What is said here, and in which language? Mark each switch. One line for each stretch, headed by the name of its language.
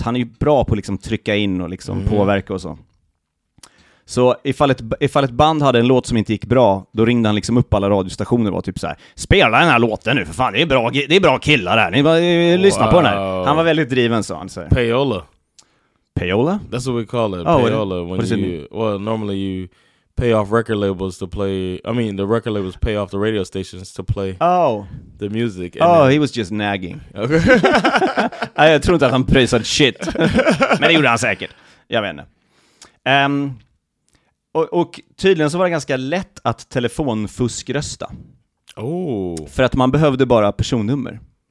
Swedish: Han är ju bra på att liksom trycka in och liksom påverka och så. Så ifall ett band hade en låt som inte gick bra, då ringde han liksom upp alla radiostationer och var typ så här: spela den här låten nu för fan, det är bra killar där. Ni bara lyssna på den här. Han var väldigt driven, så han säger.
English: Payola. Payola? That's what we call it. Payola, when you, well, normally you pay off record labels to play. I mean, the record labels pay off the radio stations to play. Oh, the music. And oh, then, he was just nagging.
Swedish: Okay, I tror inte att han prisade shit, men det gjorde han säkert. Jag vet inte. Och tydligen så var det ganska lätt att telefonfuskrösta.
English: Oh.
Swedish: För att man behövde bara personnummer.